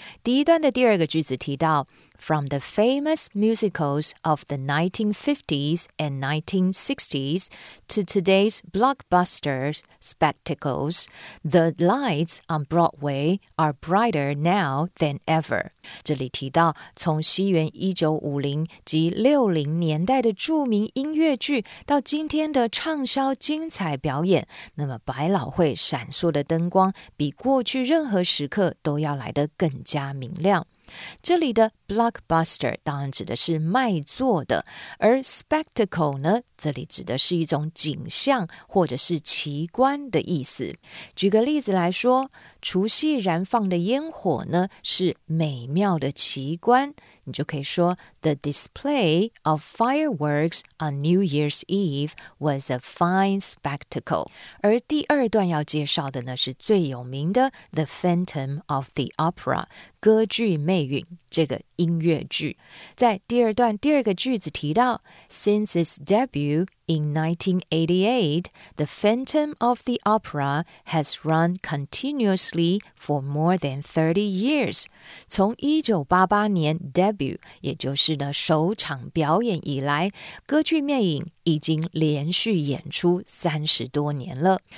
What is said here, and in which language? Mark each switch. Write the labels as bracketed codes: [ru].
[zh] 第一段的第二个句子提到 [en] From the famous musicals of the 1950s and 1960s to today's blockbusters spectacles, the lights on Broadway are brighter now than ever. [zh] 这里提到从西元1950及60年代的著名音乐剧到今天的畅销精彩表演，那么百老汇闪烁的灯光比过去任何时刻都要来得更加明亮。这里的 blockbuster 当然指的是卖座的，而 spectacle 呢，这里指的是一种景象或者是奇观的意思。举个例子来说，除夕燃放的烟火呢，是美妙的奇观。你就可以说 [en] ，The display of fireworks on New Year's Eve was a fine spectacle。 [zh] 而第二段要介绍的呢，是最有名的《The Phantom of the Opera》歌剧《魅影》这个音乐剧。在第二段第二个句子提到 [en] ，Since its debut in 1988, The Phantom of the Opera has run continuously for more than 30 years。 [zh] 从1988年 debut， 也就是呢首场表演以来，歌剧《魅影》已经连续演出30多年了。